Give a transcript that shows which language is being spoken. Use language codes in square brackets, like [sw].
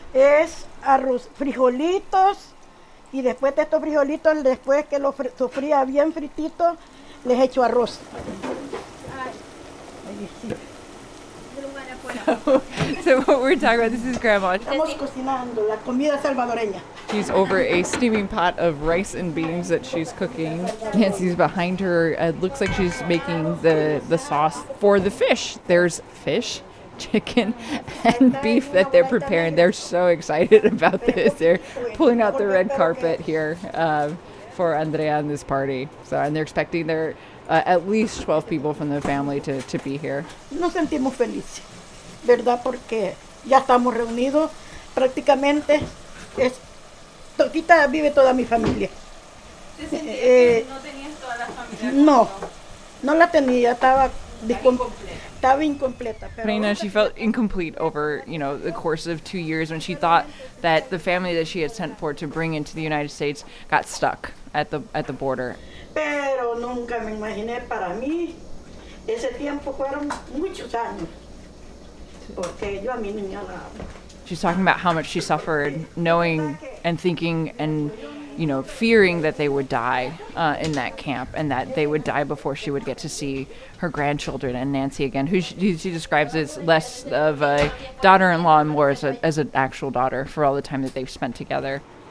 [es] Es arroz, frijolitos, y después de estos frijolitos, después que los sofría bien frititos, les echo arroz. [en] So what we're talking about, this is Grandma. [es] Estamos cocinando la comida salvadoreña. [en] She's over a steaming pot of rice and beans that she's cooking. Nancy's behind her. It looks like she's making the sauce for the fish. There's fish, chicken, and beef that they're preparing. They're so excited about this. They're pulling out the red carpet here for Andrea and this party. So, and they're expecting their at least 12 people from the family to be here. [es] Nos sentimos felices, ¿verdad? Porque ya estamos reunidos. Prácticamente es toquita vive toda mi familia. ¿Te sentías que no tenías toda la familia? No, no la tenía, estaba [en] Marina, she felt incomplete over, you know, the course of 2 years when she thought that the family that she had sent for to bring into the United States got stuck at the border. [es] Pero nunca me imaginé para mí ese tiempo fueron muchos años porque yo a mi niña. [en] She's talking about how much she suffered, knowing and thinking and, you know, fearing that they would die in that camp, and that they would die before she would get to see her grandchildren and Nancy again, who she describes as less of a daughter-in-law and more as an actual daughter for all the time that they've spent together.